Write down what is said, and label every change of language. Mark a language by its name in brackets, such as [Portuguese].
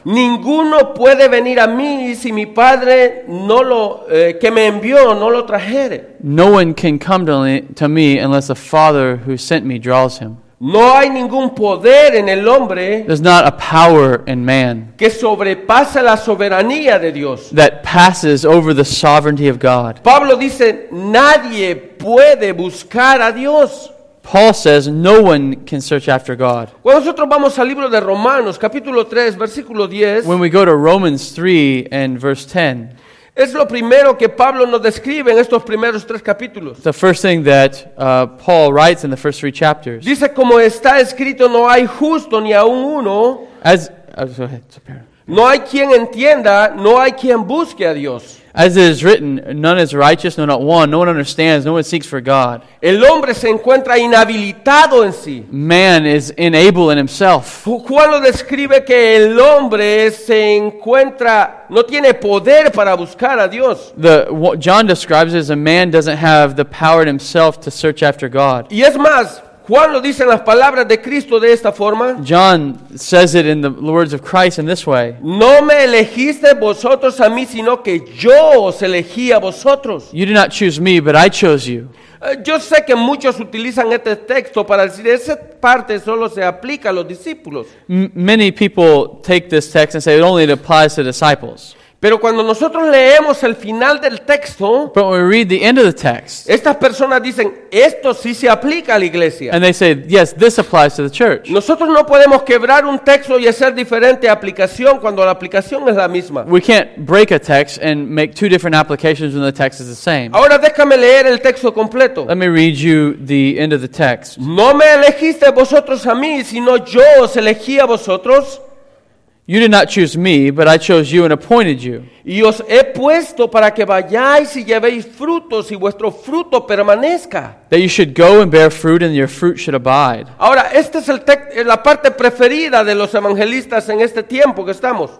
[Spanish] Ninguno puede venir a mí si mi Padre no lo que me envió no lo trajere. [English] No one can come to me unless the Father who sent me draws him. [Spanish] No hay ningún poder en el hombre. [English] There's not a power in man. [Spanish] Que sobrepasa la soberanía de Dios. [English] That passes over the sovereignty of God. [Spanish] Pablo dice, nadie puede buscar a Dios. [English] Paul says, no one can search after God. [Spanish] Cuando nosotros vamos al libro de Romanos, capítulo 3, versículo 10. [English] When we go to Romans 3 and verse 10. [Spanish] Es lo primero que Pablo nos describe en estos primeros tres capítulos. [English] The first thing that Paul writes in the first three chapters. [Spanish] Dice, como está escrito, no hay justo ni aun uno. [English] As, go ahead, [Spanish] no hay quien entienda, no hay quien busque a Dios. [English] As it is written, none is righteous, no not one. No one understands, no one seeks for God. [Spanish] El hombre se encuentra inhabilitado en sí. [English] Man is unable in himself. [Spanish] Juan lo describe que el hombre se encuentra, no tiene poder para buscar a Dios. [English] John describes it as a man doesn't have the power in himself to search after God. [Spanish] Y es más, Juan lo dice en las palabras de Cristo de esta forma. [English] John says it in the words of Christ in this way. [Spanish] No me elegiste vosotros a mí, sino que yo os elegí a vosotros. [English] You did not choose me, but I chose you. [Spanish] Yo sé que muchos utilizan este texto para decir esa parte solo se aplica a los discípulos. [English] Many people take this text and say it only applies to disciples. [Spanish] Pero cuando nosotros leemos el final del texto, [English] but when we read the end of the text, [Spanish] estas personas dicen, esto sí se aplica a la iglesia. [English] And they say, yes, this applies to the church. [Spanish] Nosotros no podemos quebrar un texto y hacer diferente aplicación cuando la aplicación es la misma. [English] We can't break a text and make two different applications when the text is the same. [Spanish] Ahora déjame leer el texto completo. [English] Let me read you the end of the text. [Spanish] No me elegiste vosotros a mí, sino yo os elegí a vosotros. [English] You did not choose me, but I chose you and appointed you. [Spanish] Y os he puesto para que vayáis y llevéis frutos y vuestro fruto permanezca. [English] That you should go and bear fruit and your fruit should abide. [Spanish] Ahora, este es la parte preferida de los evangelistas en este tiempo que estamos.